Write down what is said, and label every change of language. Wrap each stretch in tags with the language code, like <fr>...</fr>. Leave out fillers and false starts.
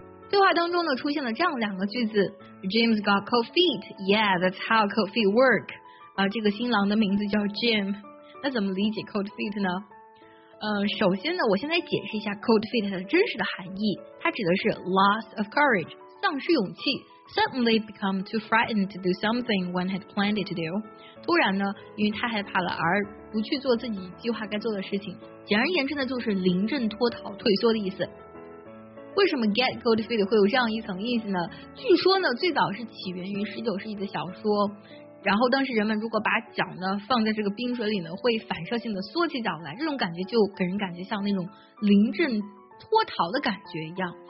<zh>对话当中呢，出现了这样两个句子 ：</zh> <en>James got cold feet. Yeah, that's how cold feet work.</en> <zh>这个新郎的名字叫 Jim. 那怎么理解 cold feet 呢？首先呢，我先来解释一下 cold feet 的真实的含义。它指的是</zh> <en>loss of courage，</en> <zh>丧失勇气。</zh> <en>Suddenly become too frightened to do something one had planned it to do.</en> <zh>突然呢，因为他害怕了而不去做自己计划该做的事情。简而言之呢，就是临阵脱逃、退缩的意思。为什么 get cold feet 会有这样一层意思呢？据说呢，最早是起源于19世纪的小说。然后当时人们如果把脚呢放在这个冰水里呢，会反射性的缩起脚来，这种感觉就给人感觉像那种临阵脱逃的感觉一样。</zh>